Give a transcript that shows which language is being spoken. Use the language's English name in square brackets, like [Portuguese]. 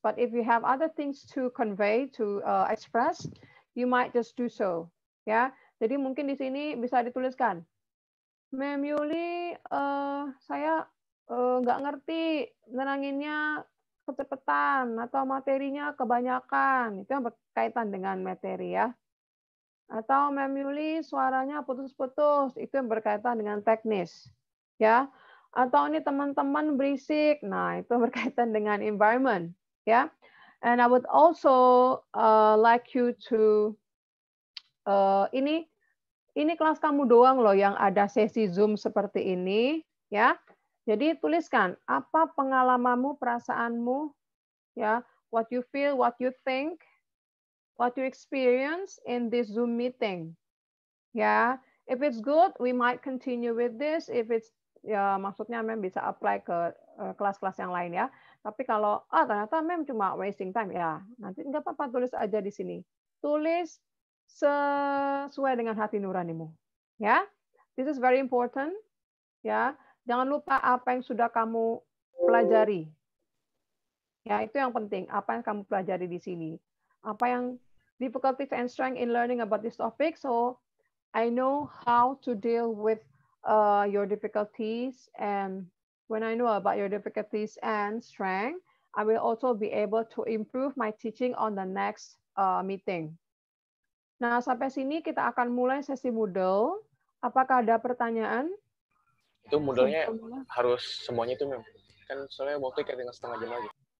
[English] But if you have other things to convey, to express, you might just do so. [Indonesian] Ya, jadi mungkin di sini bisa dituliskan. Mem Yuli, saya nggak ngerti neranginnya kecepatan atau materinya kebanyakan. Itu yang berkaitan dengan materi ya. Atau Mem Yuli, suaranya putus-putus. Itu yang berkaitan dengan teknis. Ya. Atau ini teman-teman berisik, nah itu berkaitan dengan environment, ya. Yeah. [English] And I would also like you to [Indonesian] ini kelas kamu doang loh yang ada sesi Zoom seperti ini, ya. Yeah. Jadi tuliskan apa pengalamanmu, perasaanmu, ya. Yeah. [English] What you feel, what you think, what you experience in this Zoom meeting, ya. Yeah. If it's good, we might continue with this. If it's [Indonesian] ya maksudnya mem bisa apply ke kelas-kelas yang lain ya. Tapi kalau ternyata mem cuma wasting time ya, nanti enggak apa-apa tulis aja di sini. Tulis sesuai dengan hati nuranimu. Ya. [English] This is very important. [Indonesian] Ya. Jangan lupa apa yang sudah kamu pelajari. Ya, itu yang penting, apa yang kamu pelajari di sini. Apa yang [English] difficulties and strength in learning about this topic, so I know how to deal with your difficulties, and when I know about your difficulties and strength, I will also be able to improve my teaching on the next meeting. [Indonesian] Nah, sampai sini kita akan mulai sesi Moodle. Apakah ada pertanyaan? Itu Moodle-nya harus semuanya itu memang. Kan soalnya waktu kita tinggal setengah jam lagi.